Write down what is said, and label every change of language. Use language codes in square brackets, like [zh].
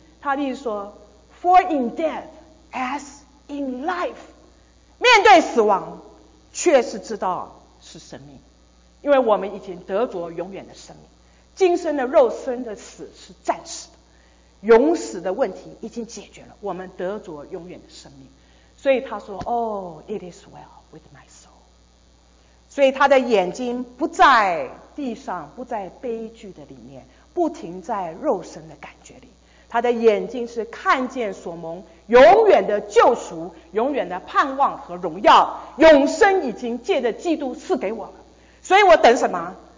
[zh] 他的意思说 [en] For in death as in life， [zh] 面对死亡却是知道是生命，因为我们已经得着永远的生命。今生的肉身的死是暂时的，永死的问题已经解决了，我们得着永远的生命。所以他说 [en] Oh, it is well with my soul。 [zh] 所以他的眼睛不在地上，不在悲剧的里面，不停在肉身的感觉里，他的眼睛是看见所蒙永远的救赎，永远的盼望和荣耀，永生已经借着基督赐给我了。所以我等什么？